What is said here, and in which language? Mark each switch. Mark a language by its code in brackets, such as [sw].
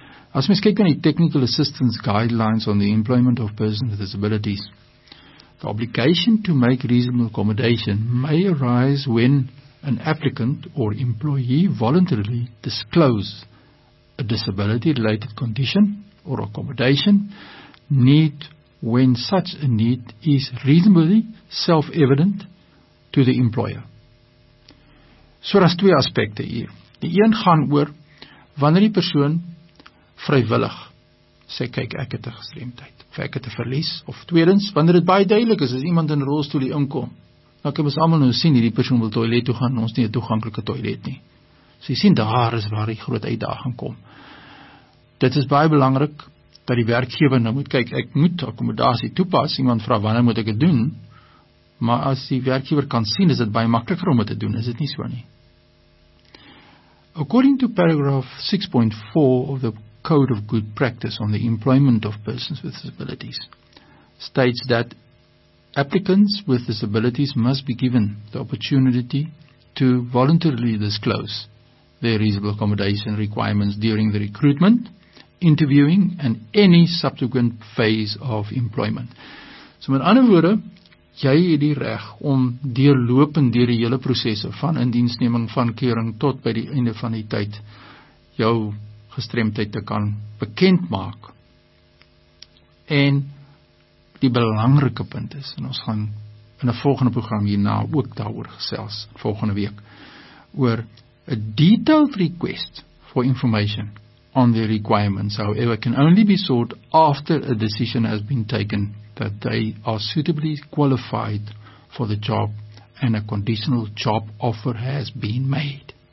[af] As mens kyk aan die [en] Technical Assistance Guidelines on the Employment of Persons with Disabilities, the obligation to make reasonable accommodation may arise when an applicant or employee voluntarily disclose a disability-related condition or accommodation need when such a need is reasonably self-evident to the employer. [af] So daar's twee aspekte hier. Die een gaan oor wanneer die persoon vrywillig sê, kyk, ek het 'n gestremdheid of ek het 'n verlies, of tweedens wanneer dit baie duidelik is as iemand in 'n rolstoel inkom. Dan kan ons almal nou sien hierdie persoon wil toilet toe gaan, ons nie 'n toeganklike toilet nie. So jy sien daar is waar die groot uitdaging kom. Dit is baie belangrik dat die werkgewer nou moet kyk, ek moet akkommodasie toepas, iemand vra wanneer moet ek dit doen, maar as die werkgewer kan sien, is dit baie makliker om dit te doen, is dit nie so nie. [en] According to paragraph 6.4 of the Code of Good Practice on the Employment of Persons with Disabilities, states that applicants with disabilities must be given the opportunity to voluntarily disclose their reasonable accommodation requirements during the recruitment, interviewing and any subsequent phase of employment. [af] So met ander woorde, jy het die reg om deurlopend deur die hele prosesse van indiensneming van keuring tot by die einde van die tyd jou gestremdheid te kan bekend maak. En die belangrike punt is, en ons gaan in 'n volgende program hierna ook daaroor gesels volgende week, oor 'n [en] detailed request for information on the requirements, however, can only be sought after a decision has been taken that they are suitably qualified for the job and a conditional job offer has been made.